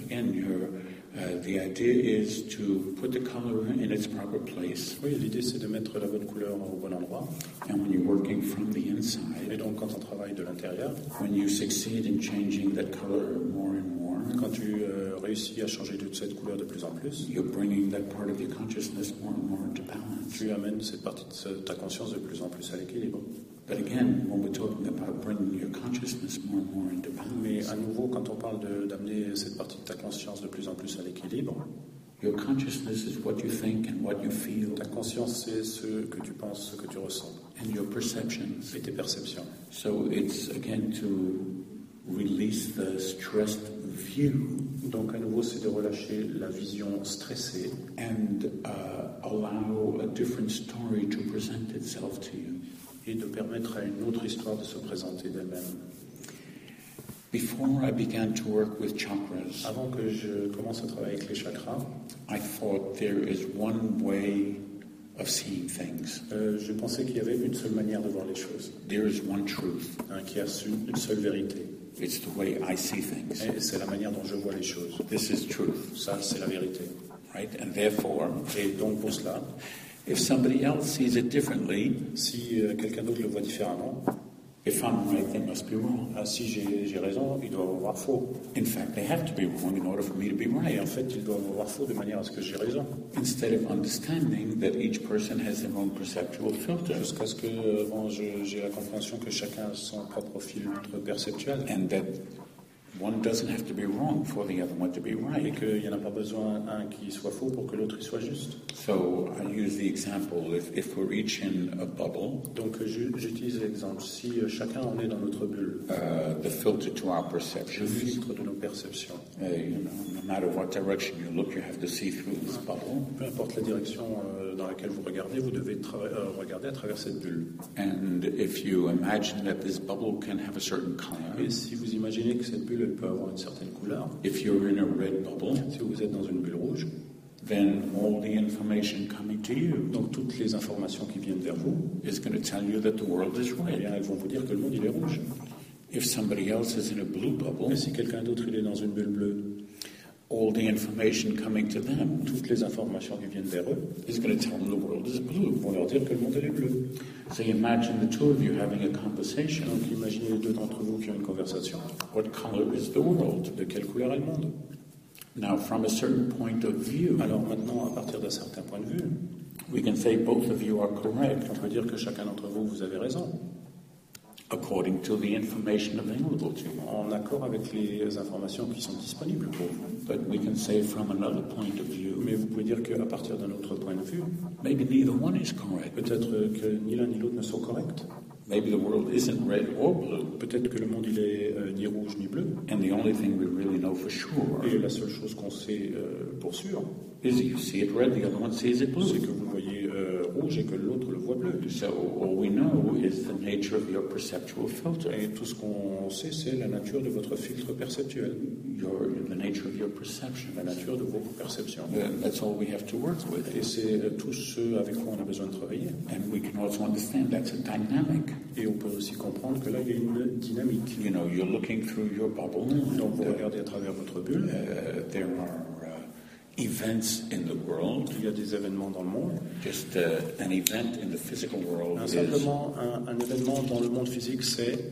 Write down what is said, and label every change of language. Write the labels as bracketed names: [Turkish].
[English] Again, the idea is to put the color in its proper place. [French] Oui, l'idée c'est de mettre la bonne couleur au bon endroit. [English] And when you're working from the inside. [French] Et donc quand on travaille de l'intérieur. [English] When you succeed in changing that color more and more. [French] Quand tu réussis à changer toute cette couleur de plus en plus. [English] You're bringing that part of your consciousness more and more into balance. [French] Tu amènes cette partie de ta conscience de plus en plus à l'équilibre. [English] But again, when we're talking about bringing your consciousness more and more into balance, [French] mais à nouveau, quand on parle d'amener cette partie de ta conscience de plus en plus à l'équilibre, [English] your consciousness is what you think and what you feel. [French] Ta conscience c'est ce que tu penses, ce que tu ressens. [English] And your perceptions. [French] Et tes perceptions. [English] So it's again to release the stressed view. [French] Donc à nouveau, c'est de relâcher la vision stressée [English] and allow a different story to present itself to you. [French] Et de permettre à une autre histoire de se présenter d'elle-même. [English] Before I began to work with chakras, [French] avant que je commence à travailler avec les chakras, [English] I thought there is one way of seeing things. [French] Je pensais qu'il y avait une seule manière de voir les choses. [English] There is one truth. [French] Qui a une seule vérité. [English] It's the way I see things. [French] Et c'est la manière dont je vois les choses. [English] This is truth. [French] Ça, c'est la vérité. [English] Right? And therefore, [French] et donc pour cela. [English] If somebody else sees it differently, [French] si quelqu'un d'autre le voit différemment, [English] if I'm right, they must be wrong. [French] Si j'ai raison, ils doivent avoir faux. [English] In fact, they have to be wrong in order for me to be right. [French] Et en fait, ils doivent avoir faux de manière à ce que j'ai raison. [English] Instead of understanding that each person has their own perceptual filter, [French] jusqu'à ce que bon, j'ai la compréhension que chacun a son propre filtre perceptuel, [English] and that one doesn't have to be wrong for the other one to be right. [French] Et qu'il y en a pas besoin un qui soit faux pour que l'autre y soit juste. [English] So I use the example if we're each in a bubble. [French] Donc j'utilise l'exemple si chacun en est dans notre bulle. [English] The filter to our perceptions. [French] Le filtre de nos perceptions. [English] No matter what direction you look, you have to see through this bubble. [French] Peu importe la direction dans laquelle vous regardez, vous devez regarder à travers cette bulle. [English] And if you imagine that this bubble can have a certain color. [French] Et si vous imaginez que cette bulle peut avoir une certaine couleur. [English] If you're in a red bubble. [French] Si vous êtes dans une bulle rouge. [English] Then all the information coming to you. [French] Donc toutes les informations qui viennent vers vous. [English] Is going to tell you that the world is red. [French] Et bien, elles vont vous dire que le monde il est rouge. [English] If somebody else is in a blue bubble. [French] Et si quelqu'un d'autre il est dans une bulle bleue. [English] All the information coming to them. [French] Toutes les informations qui viennent vers eux. [English] Is going to tell them the world is blue. [French] Vont leur dire que le monde est bleu. [English] So imagine the two of you having a conversation. [French] Donc imaginez les deux d'entre vous qui ont une conversation. [English] What color is the world? [French] De quelle couleur est le monde? [English] Now, from a certain point of view, [French] alors maintenant, à partir d'un certain point de vue, [English] we can say both of you are correct. [French] On peut dire que chacun d'entre vous, vous avez raison. [English] according to the information available to you. [French] En accord avec les informations qui sont disponibles pour vous. [English] But we can say from another point of view. [French] Mais vous pouvez dire qu'à partir d'un autre point de vue, [English] maybe neither one is correct. [French] Peut-être que ni l'un ni l'autre ne sont corrects. [English] Maybe the world isn't red or blue. [French] Peut-être que le monde il est ni rouge ni bleu. [English] And the only thing we really know for sure. [French] Et la seule chose qu'on sait pour sûr. [English] Is that you see it red, the other one sees it blue. [French] C'est que vous voyez rouge et que l'autre le voit bleu. [English] So all we know is the nature of your perceptual filter. [French] Et tout ce qu'on sait, c'est la nature de votre filtre perceptuel. [English] The nature of your perception. [French] La nature de vos perceptions. [English] And that's all we have to work with. [French] Et c'est tout ce avec quoi on a besoin de travailler. [English] And we can also understand that's a dynamic. [French] Et on peut aussi comprendre que là, il y a une dynamique. [English] You know, you're looking through your bubble. [French] Donc vous regardez à travers votre bulle. [English] There are events in the world. [French] Il y a des événements dans le monde. [English] Just an event in the physical world. [French] Simplement un événement dans le monde physique, c'est